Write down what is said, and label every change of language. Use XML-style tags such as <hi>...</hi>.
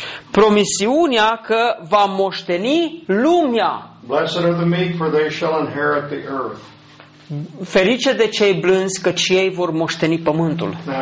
<ro>Promisiunea că va moșteni lumea.</ro> <en>Blessed are the meek, for they shall inherit the earth.</en> <ro>Ferice de cei blânzi, căci ei vor moșteni pământul.</ro>